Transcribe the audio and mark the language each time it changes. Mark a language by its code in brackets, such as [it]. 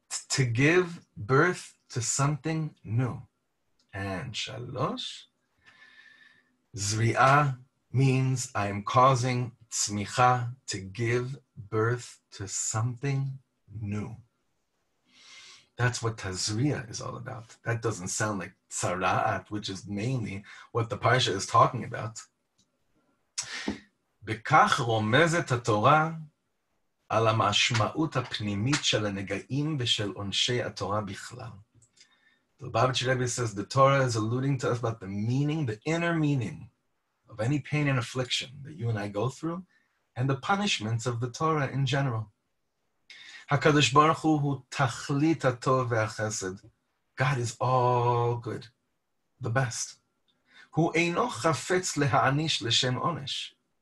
[en] To give birth to something new. And shalosh, zri'a means I am causing tzmicha, to give birth to something new. That's what tazri'a is all about. That doesn't sound like tzara'at, which is mainly what the parsha is talking about. [he] Bekach romezet ha-Torah על המשמעות הפנימית של הנגעים ושל עונשי התורה בכלל. [en] The Babaji Rebbe says, the Torah is alluding to us about the meaning, the inner meaning of any pain and affliction that you and I go through, and the punishments of the Torah in general. [he] HaKadosh Baruch Hu hu tachlit ha-tov ve-ha-chesed. [en] God is all good, the best. [he] Hu eino chafetz le-ha-anish l'shem onesh.